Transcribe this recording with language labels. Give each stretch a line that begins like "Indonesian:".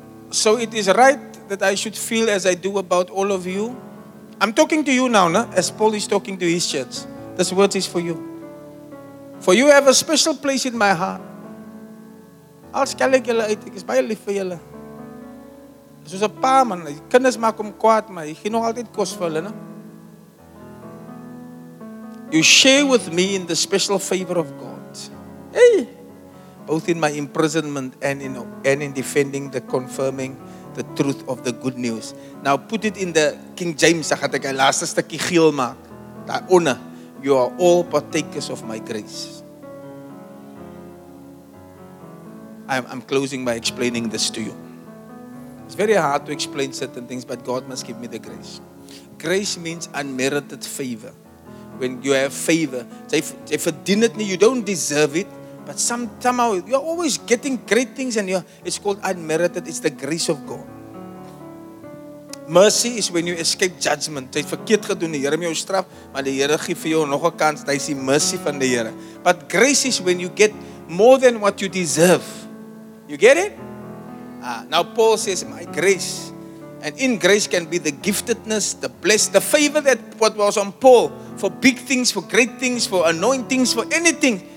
English: So it is right that I should feel as I do about all of you. I'm talking to you now, no? As Paul is talking to his church. This word is for you. For you have a special place in my heart.
Afrikaans: As kallek julle uit, ek is baie lief vir julle. Soos 'n pa man, die kinders maak hom kwaad, maar hy gee nog altyd kos vir hulle, né?
English: You share with me in the special favor of God. Hey! Both in my imprisonment and in defending the confirming the truth of the good news. Now put it in the King James,
Afrikaans: ek het 'n laaste stukkie geel maak. Daar onder.
English: You are all partakers of my grace. I'm closing by explaining this to you. It's very hard to explain certain things, but God must give me the grace. Grace means unmerited favor. When you have favor, they verdien it nie, you don't deserve it, but somehow you're always getting great things and it's called unmerited. It's the grace of God. Mercy is when you escape judgment.
Afrikaans: Jy het verkeerd gedoen, die Here gee jou straf, maar die Here gee vir jou nog 'n kans. Dis die mercy van die Here.
English: But grace is when you get more than what you deserve. You get it? Now Paul says, my grace. And in grace can be the giftedness, the bless, the favor that what was on Paul for big things, for great things, for anointings, for anything.